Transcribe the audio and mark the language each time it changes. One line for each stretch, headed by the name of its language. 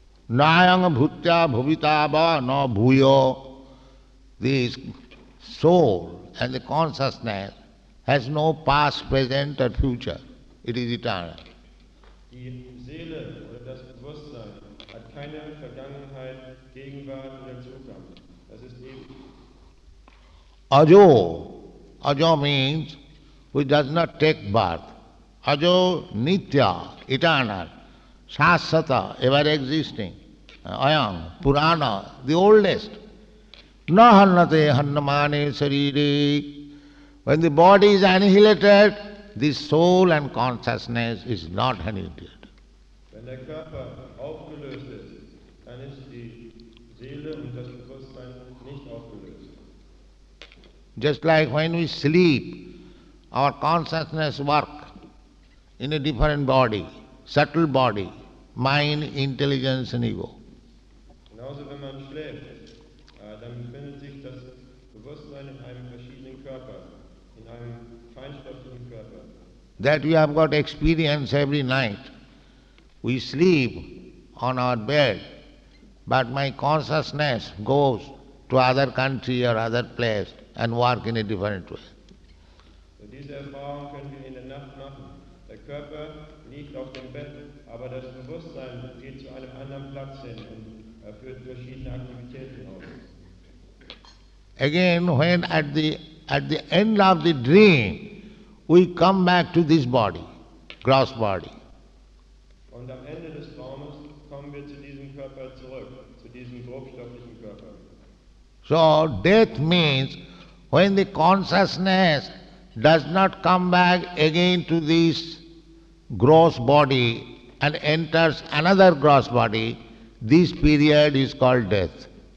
Sanskrit: Nayam bhutya bhuvitava na bhuyo.
English: This soul and the consciousness has no past, present or future. It is eternal.
German: Die Seele oder das Bewusstsein hat keine Vergangenheit, Gegenwart oder Zukunft. Das ist ewig.
English: Ajo. Ajo means which does not take birth. Ajo nitya, eternal. Shashvata, ever existing.
Sanskrit: Ayam, purana,
English: the oldest.
Sanskrit: Na hannate hannamane sarire.
English: When the body is annihilated, the soul and consciousness is not annihilated. When the
German: Körper aufgelöst ist, dann ist die Seele und das Bewusstsein nicht aufgelöst.
English: Just like when we sleep, our consciousness works in a different body, subtle body, mind, intelligence and ego.
German: Genauso wenn man schläft, dann befindet sich das Bewusstsein in einem verschiedenen Körper, in einem feinstofflichen Körper.
English: That we have got experience every night. We sleep on our bed, but my consciousness goes to other country or other place and work in a different way.
German: So diese Erfahrung können wir in der Nacht machen. Der Körper liegt auf dem Bett, aber das Bewusstsein geht zu einem anderen Platz hin und führt verschiedene Aktivitäten auf.
English: Again, when at the end of the dream, we come back to this body, gross body.
German: Und am Ende des Traumes kommen wir zu diesem Körper zurück, zu diesem grobstofflichen Körper.
English: So death means when the consciousness does not come back again to this gross body and enters another gross body, this period is called death.